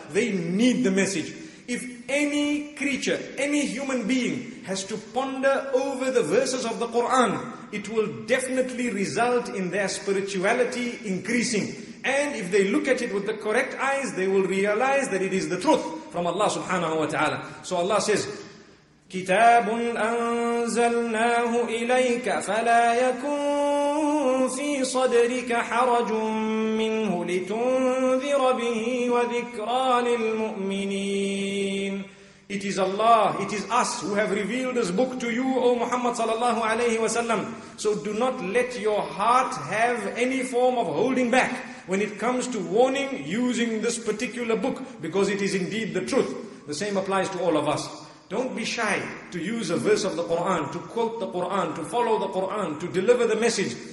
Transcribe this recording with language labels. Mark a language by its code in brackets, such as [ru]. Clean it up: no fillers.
[en] They need the message. If any creature, any human being has to ponder over the verses of the Quran, it will definitely result in their spirituality increasing. And if they look at it with the correct eyes, they will realize that it is the truth from Allah subhanahu wa ta'ala. So Allah says, [ar] كِتَابٌ أَنزَلْنَاهُ إِلَيْكَ فَلَا يَكُنْ فِي صَدْرِكَ حَرَجٌ مِّنْهُ لِتُنذِرَ بِهِ وَذِكْرَى لِلْمُؤْمِنِينَ. [en] It is Allah, it is us who have revealed this book to you, O Muhammad sallallahu alayhi wa sallam. So do not let your heart have any form of holding back when it comes to warning using this particular book, because it is indeed the truth. The same applies to all of us. Don't be shy to use a verse of the Quran, to quote the Quran, to follow the Quran, to deliver the message.